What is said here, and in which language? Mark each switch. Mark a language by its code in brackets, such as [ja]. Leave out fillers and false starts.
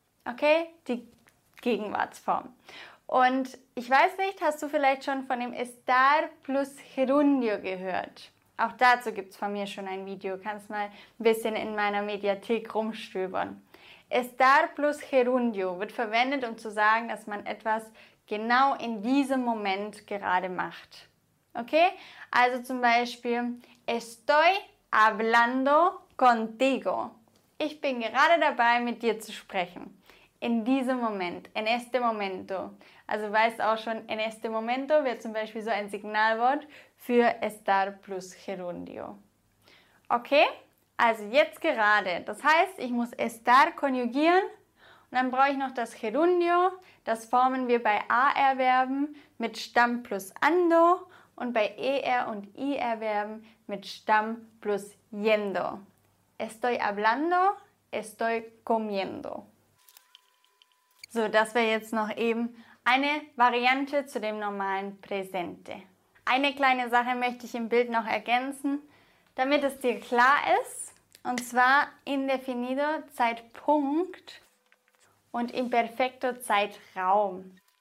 [de] Okay, die Gegenwartsform. Und ich weiß nicht, hast du vielleicht schon von dem Estar plus Gerundio gehört? Auch dazu gibt es von mir schon ein Video. Kannst mal ein bisschen in meiner Mediathek rumstöbern. Estar plus Gerundio wird verwendet, um zu sagen, dass man etwas genau in diesem Moment gerade macht. Okay? Also zum Beispiel, [es] estoy hablando contigo. [de] Ich bin gerade dabei, mit dir zu sprechen. In diesem Moment, [es] en este momento. [de] Also weißt auch schon, [es] en este momento [de] wäre zum Beispiel so ein Signalwort für estar plus gerundio. Okay, also jetzt gerade. Das heißt, ich muss estar konjugieren und dann brauche ich noch das gerundio. Das formen wir bei AR-Verben mit Stamm plus ando und bei ER- und IR-Verben mit Stamm plus yendo. [es] Estoy hablando, estoy comiendo. [de] So, das wäre jetzt noch eben eine Variante zu dem normalen Präsente. Eine kleine Sache möchte ich im Bild noch ergänzen, damit es dir klar ist. Und zwar indefinido Zeitpunkt und imperfecto Zeitraum.